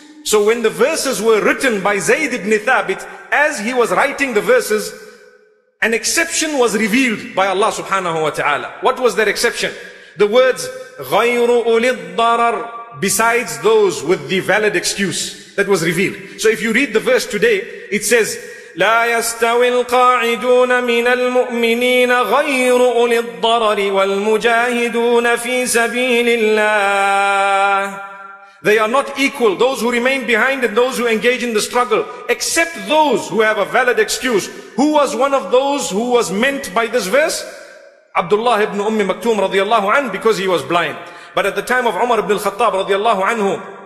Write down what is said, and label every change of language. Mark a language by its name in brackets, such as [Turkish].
[English] So when the verses were written by Zayd ibn Thabit, as he was writing the verses, an exception was revealed by Allah subhanahu wa ta'ala. What was that exception? The words, [Arabic] غَيْرُ أُولِي الضَّرَرِ, [English] besides those with the valid excuse, that was revealed. So if you read the verse today, it says, [Arabic] لا يستوي القاعدون من المؤمنين غير أولي الضرر والمجاهدون في سبيل الله. [English] They are not equal, those who remain behind and those who engage in the struggle, except those who have a valid excuse. Who was one of those who was meant by this verse? Abdullah ibn Umm Maktum radiallahu anhu, because he was blind. But at the time of Umar ibn al-Khattab radiallahu anhu,